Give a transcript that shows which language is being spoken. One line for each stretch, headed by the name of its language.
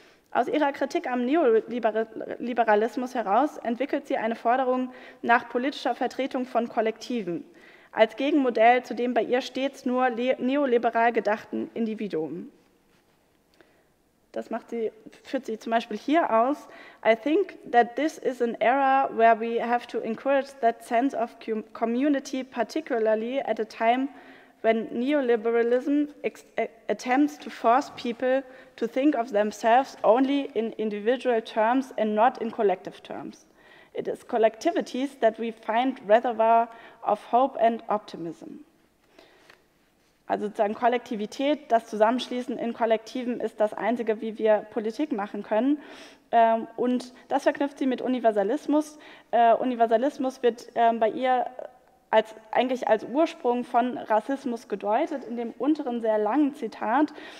German: Aus ihrer Kritik am Neoliberalismus heraus entwickelt sie eine Forderung nach politischer Vertretung von Kollektiven als Gegenmodell zu dem bei ihr stets nur neoliberal gedachten Individuum. Das führt sie zum Beispiel hier aus.
English: I think that this is an era where we have to encourage that sense of community, particularly at a time when neoliberalism attempts to force people to think of themselves only in individual terms and not in collective terms. It is collectivities that we find reservoir of hope and optimism.
German: Also sozusagen Kollektivität, das Zusammenschließen in Kollektiven ist das Einzige, wie wir Politik machen können. Und das verknüpft sie mit Universalismus. Universalismus wird bei ihr eigentlich als Ursprung von Rassismus gedeutet, in dem unteren sehr langen Zitat.